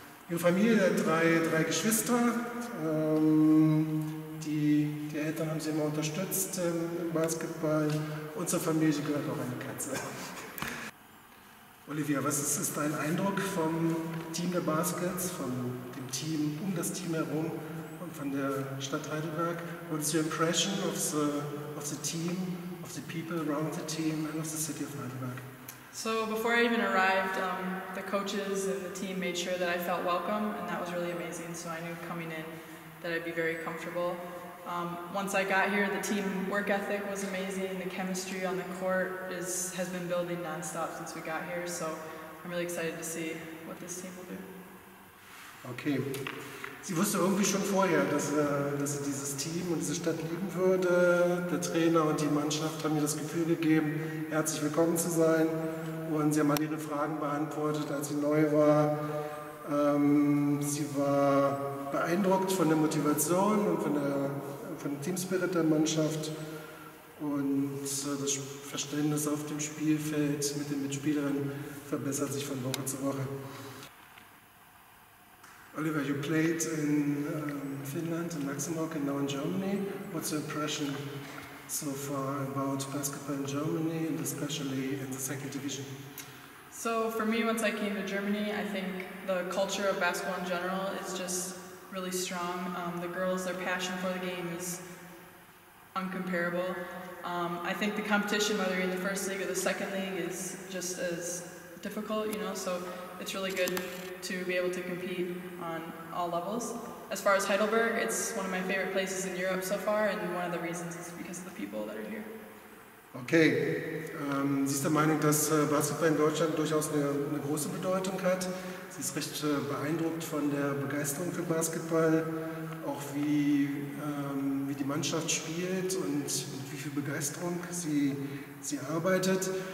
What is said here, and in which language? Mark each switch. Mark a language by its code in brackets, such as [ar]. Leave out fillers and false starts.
[de] Ihre Familie hat drei Geschwister. Die Eltern haben sie immer unterstützt im Basketball. Und zur Familie gehört auch eine Katze. Olivia, was ist dein Eindruck vom Team der Baskets, von dem Team um das Team herum und von der Stadt Heidelberg? [en] What is your impression of the team, of the people around the team and of the city of Heidelberg? So before I even arrived, the coaches and the team made sure that I felt welcome, and that was really amazing. So I knew coming in that I'd be very comfortable. Once I got here, the team work ethic was amazing. The chemistry on the court has been building nonstop since we got here. So I'm really excited to see what this team will do. Okay. [de] Sie wusste irgendwie schon vorher, dass sie dieses Team und diese Stadt lieben würde. Der Trainer und die Mannschaft haben ihr das Gefühl gegeben, herzlich willkommen zu sein. Und sie haben all ihre Fragen beantwortet, als sie neu war. Sie war beeindruckt von der Motivation und von dem Teamspirit der Mannschaft und das Verständnis auf dem Spielfeld mit den Mitspielerinnen verbessert sich von Woche zu Woche. [en] Olivia, you played in Finland, in Luxembourg and now in Germany. What's your impression so far about basketball in Germany and especially in the second division? So for me, once I came to Germany, I think the culture of basketball in general is just really strong. The girls, their passion for the game is uncomparable. I think the competition, whether you're in the first league or the second league, is just as difficult, you know, so it's really good to be able to compete on all levels. As far as Heidelberg, it's one of my favorite places in Europe so far, and one of the reasons is because of the people that are here. [de] Okay, sie ist der Meinung, dass Basketball in Deutschland durchaus eine große Bedeutung hat. Sie ist recht beeindruckt von der Begeisterung für Basketball, auch wie die Mannschaft spielt und mit wie viel Begeisterung sie arbeitet.